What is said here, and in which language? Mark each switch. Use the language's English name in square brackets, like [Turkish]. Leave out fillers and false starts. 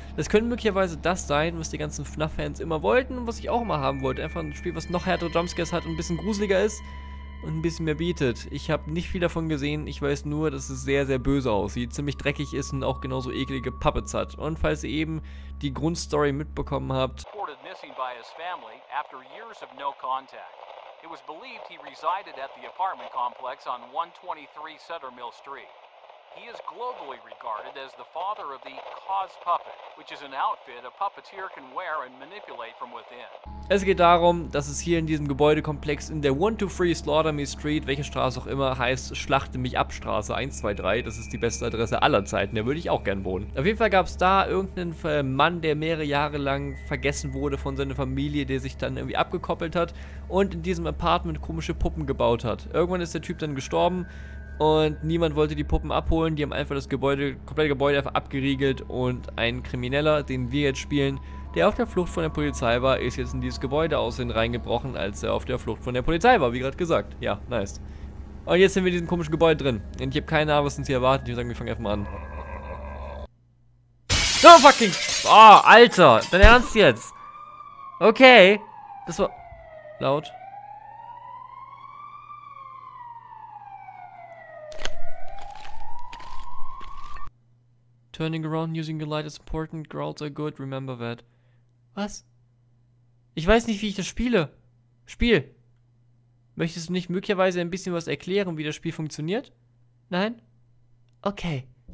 [German] Das könnte möglicherweise das sein, was die ganzen FNAF-Fans immer wollten und was ich auch immer haben wollte. Einfach ein Spiel, was noch härtere Jumpscares hat und ein bisschen gruseliger ist und ein bisschen mehr bietet. Ich habe nicht viel davon gesehen. Ich weiß nur, dass es sehr, sehr böse aussieht, ziemlich dreckig ist und auch genauso eklige Puppets hat. Und falls ihr eben die Grundstory mitbekommen habt. [English] It was believed he resided at the apartment complex on 123 Sutter Mill Street. He is globally regarded as the father of the Cause Puppet, which is an outfit a puppeteer can wear and manipulate from within. [German] Es geht darum, dass es hier in diesem Gebäudekomplex in der 123 Slaughter Me Street, welche Straße auch immer, heißt Schlachte mich ab Straße 123, das ist die beste Adresse aller Zeiten, da würde ich auch gern wohnen. Auf jeden Fall gab es da irgendeinen Mann, der mehrere Jahre lang vergessen wurde von seiner Familie, der sich dann irgendwie abgekoppelt hat und in diesem Apartment komische Puppen gebaut hat. Irgendwann ist der Typ dann gestorben. Und niemand wollte die Puppen abholen, die haben einfach das Gebäude, komplette Gebäude einfach abgeriegelt und ein Krimineller, den wir jetzt spielen, der auf der Flucht von der Polizei war, ist jetzt in dieses Gebäude aussehen reingebrochen, als er auf der Flucht von der Polizei war, wie gerade gesagt. Ja, nice. Und jetzt sind wir in diesem komischen Gebäude drin. Und ich habe keine Ahnung, was uns hier erwartet. Ich würde sagen, wir fangen einfach mal an. [English] No fucking... [German] Oh, Alter, dein Ernst jetzt? Okay, das war... laut. [English] Turning around using your light is important, growls are good, remember that. [German] Was? Ich weiß nicht, wie ich das spiele. Spiel! Möchtest du nicht möglicherweise ein bisschen was erklären, wie das Spiel funktioniert? Nein? Okay.